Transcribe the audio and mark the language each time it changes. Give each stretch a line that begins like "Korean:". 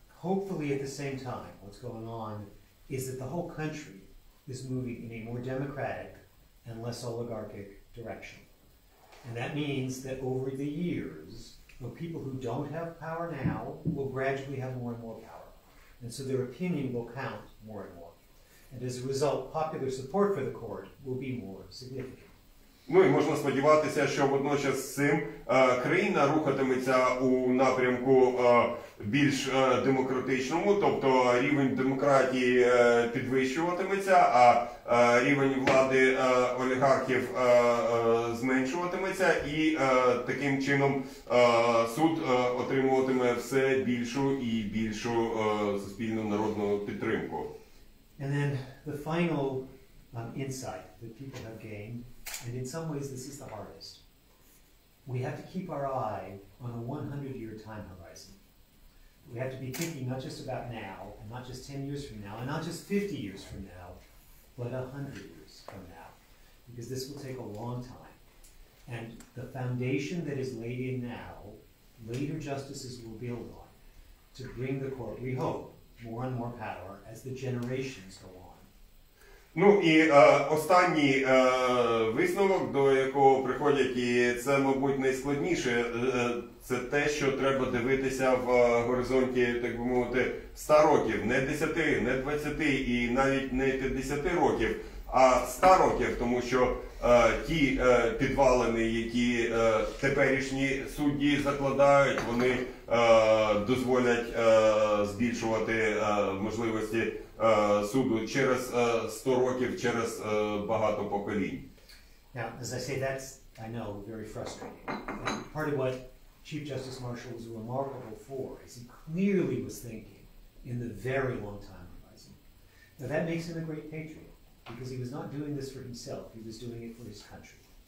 English: Hopefully at the same time, what's going on is that the whole country is moving in a more democratic and less oligarchic direction. And that means that over the years, the people who don't have power now will gradually have more and more power. And so their opinion will count more and more. And as a result, popular support for the court will be more significant.
Ukrainian: Ну і можна сподіватися, що водночас з цим країна рухатиметься у напрямку більш демократичному, тобто рівень демократії підвищуватиметься, а рівень влади олігархів зменшуватиметься, і таким чином суд отримуватиме все більшу і більшу суспільну народну підтримку.
English: And then the final insight that people have gained. And in some ways, this is the hardest. We have to keep our eye on a 100-year time horizon. We have to be thinking not just about now, and not just 10 years from now, and not just 50 years from now, but 100 years from now. Because this will take a long time. And the foundation that is laid in now, later justices will build on to bring the court, we hope, more and more power as the generations go on.
Ukrainian: Ну і останній висновок, до якого приходять, і це, мабуть, найскладніше, це те, що треба дивитися в горизонті, так би мовити, 100 років, не 10, не 20 і навіть не 50 років, а 100 років, тому що ті підвалини, які теперішні судді закладають, вони дозволять збільшувати можливості суду через 100 років, через багато поколінь.
English: Now, as I say, that's, I know, very frustrating. And part of what Chief Justice Marshall was remarkable for, as he clearly was thinking in the very long time horizon. Now that makes him a great patriot, because he was not doing this for himself, he was doing it for his country.